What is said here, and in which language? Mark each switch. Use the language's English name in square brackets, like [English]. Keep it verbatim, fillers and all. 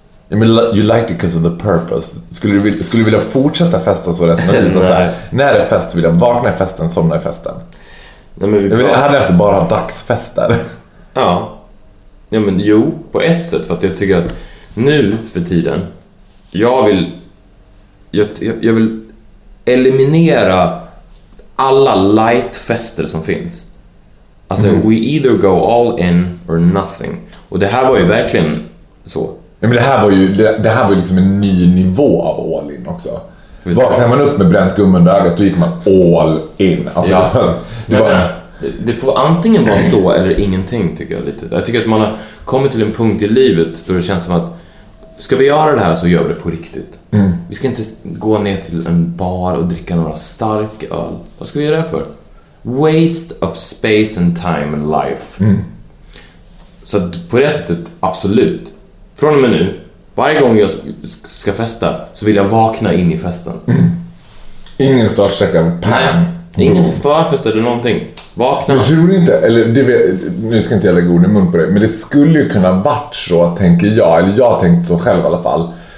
[English] I mean, you liked it because of the purpose. [Swedish] Skulle du vilja, skulle du vilja fortsätta festa så resten av livet? När är fest vill jag vakna i festen, somna i festen. Nej, men vi jag hade pratar... efter bara dagsfester. Ja. Ja, men jo, på ett sätt. För att jag tycker att nu för tiden... Jag vill... Jag, jag, jag vill... eliminera alla lightfester som finns. Alltså mm. [English] we either go all in or nothing. [Swedish] Och det här var ju verkligen så. Men det här var ju det, det här var ju liksom en ny nivå av all in också. Vaknade man upp med bränt gummi under ögat, då gick man all in. Alltså, ja. det, det, var... det, det får antingen vara så eller ingenting, tycker jag lite. Jag tycker att man har kommit till en punkt i livet då det känns som att ska vi göra det här så gör vi det på riktigt. Mm. Vi ska inte gå ner till en bar och dricka några stark öl. Vad ska vi göra det för? [English] Waste of space and time and life. [Swedish] Mm. Så på det sättet, absolut. Från och med nu, varje gång jag ska festa så vill jag vakna in i festen. Mm. Ingen startsträcka. Nej, inget förfest eller någonting. Vakna. Men tror inte, eller det vet, nu ska inte jag lägga ord i mun på det, men det skulle ju kunna varit så, tänker jag, eller jag tänkte så själv i alla fall.